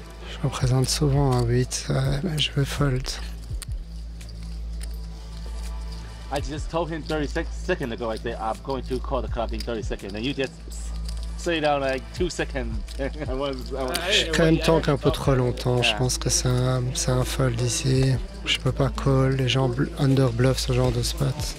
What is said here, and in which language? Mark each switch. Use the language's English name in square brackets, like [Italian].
[French] Je représente souvent un 8, mais je vais fold. [English] I just told him 30 seconds ago, I said, I'm going to call the club in 30 seconds. And you just say that like 2 seconds. [French] Je suis quand même tank un peu trop longtemps. Je pense que c'est un fold ici. Je peux pas call. Les gens underbluffent ce genre de spot.